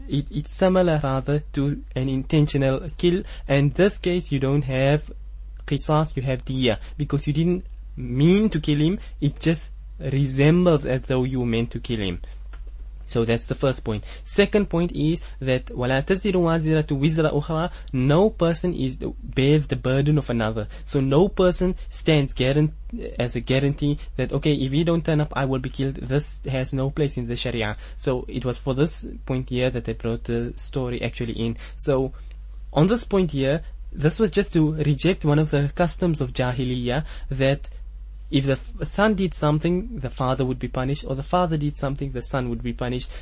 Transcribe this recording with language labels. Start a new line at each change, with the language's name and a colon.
English: It's similar rather to an intentional kill. And this case you don't have Qisas, you have Diyya. Because you didn't mean to kill him, it just resembles as though you meant to kill him. So that's the first point.
Arabic: Second point is that وَلَا تَزِرُ وَازِرَةُ وِزْرَ أُخْرَى.
English: No person bears the burden of another. So no person stands as a guarantee that, okay, if you don't turn up, I will be killed. This has no place in the Sharia. So it was for this point here that they brought the story actually in. So on this point here, this was just to reject one of the customs of Jahiliyyah that if the son did something, the father would be punished, or the father did something, the son would be punished.